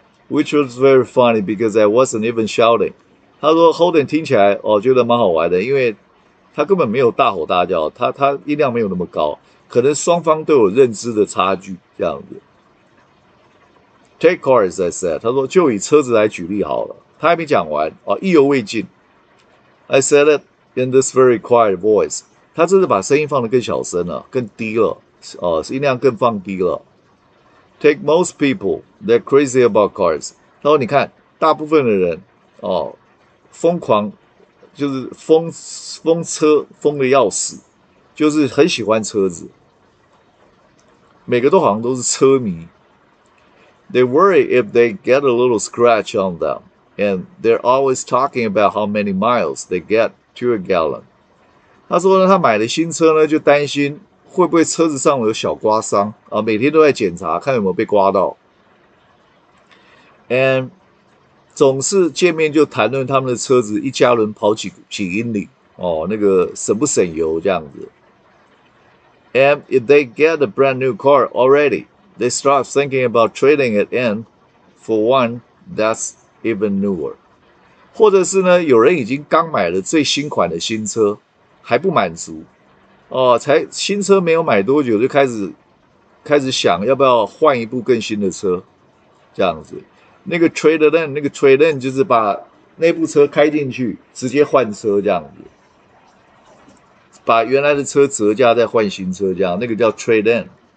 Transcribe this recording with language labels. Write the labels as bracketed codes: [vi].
[en] Which was very funny because I wasn't even shouting. [zh] 他说 Holden 听起来哦，觉得蛮好玩的，因为他根本没有大吼大叫，他音量没有那么高，可能双方都有认知的差距这样子。 [en] Take cars, I said. [zh] 他说就以车子来举例好了。他还没讲完哦，意犹未尽。 [en] I said it in this very quiet voice. [zh] 他这次把声音放得更小声了，更低了，哦，音量更放低了。 [en] Take most people, they're crazy about cars. [zh] 他说你看大部分的人哦，疯狂就是疯车疯的要死，就是很喜欢车子，每个都好像都是车迷。 [en] They worry if they get a little scratch on them, and they're always talking about how many miles they get to a gallon. [zh] 他说呢，他买的新车呢，就担心会不会车子上有小刮伤啊，每天都在检查看有没有被刮到。 And 总是见面就谈论他们的车子一家人跑几英里哦，那个省不省油这样子。 [en] And if they get a brand new car already, they start thinking about trading it in for one that's even newer. [zh] 或者是呢，有人已经刚买了最新款的新车还不满足。哦，才新车没有买多久，就开始想要不要换一部更新的车，这样子。那个 trade in， 那个 trade in 就是把那部车开进去，直接换车这样子，把原来的车折价再换新车这样，那个叫 trade in。